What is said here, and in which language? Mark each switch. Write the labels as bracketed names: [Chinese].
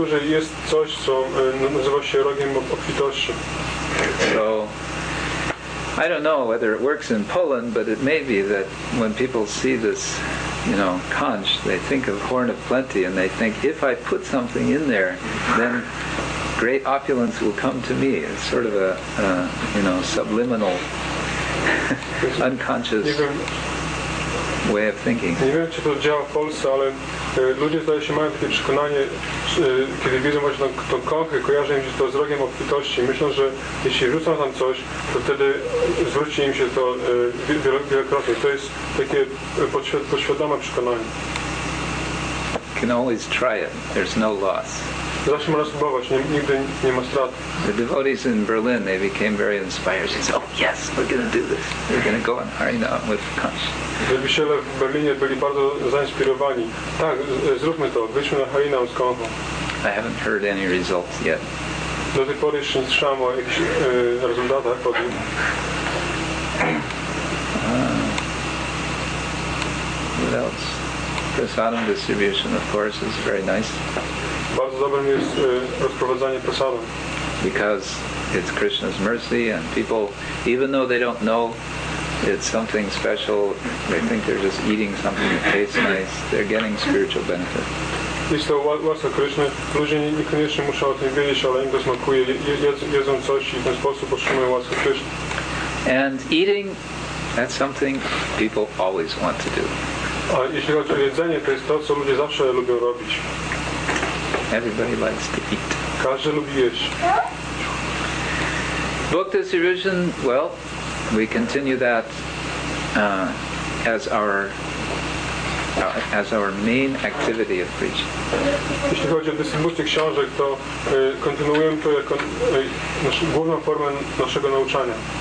[Polish] Jest coś, co nazywa się rogiem obfitości. [English] So, I don't know whether it works in Poland, but it may be that when people see this, you know, conch, they think of horn of plenty, and they think, if I put something in there, then great opulence will come to me. It's sort of a, you know, subliminal unconscious way of thinking. [Polish] Nie wiem, czy to działa w Polsce, ale ludzie zdaje się mają takie przekonanie, kiedy widzą właśnie tą konchę, kojarzą im się to z rogiem obfitości. Myślą, że jeśli rzucą tam coś, to wtedy zwróci im się to wielokrotnie. To jest takie podświadome przekonanie. [English] Can always try it. There's no loss. [Polish] Zawsze można spróbować, nigdy nie ma strat. [English] The devotees in Berlin, they became very inspired. They said, oh yes, we're going to do this. We're going to go on Harina with consciousness. [Polish] Wielbiciele w Berlinie byli bardzo zainspirowani. Tak, zróbmy to, wyjdźmy na Harina z konchą. [English] I haven't heard any results yet. [Polish] Do tej pory jeszcze nie słyszałem o jakichś rezultatach po tym. [English] What else? Prasadam distribution, of course, is very nice. [Polish] Bardzo dobrym jest rozprowadzanie prasadam. [English] Because it's Krishna's mercy and people, even though they don't know it's something special, they think they're just eating something that tastes nice, they're getting spiritual benefit. [Polish] Jest to łaska Krishna. Ludzie niekoniecznie muszą o tym wiedzieć, ale im to smakuje. Jedzą coś i w ten sposób otrzymują łaskę Krishna. [English] And eating, that's something people always want to do. [Polish] A jeśli chodzi o jedzenie, to jest to, co ludzie zawsze lubią robić. [English] Everybody likes to eat. [Polish] Każdy lubi jeść. [English] Book distribution, well, we continue that as our main activity of preaching. [Polish] Jeśli chodzi o dystrybucję książek, to kontynuujemy to jako główną formę naszego nauczania.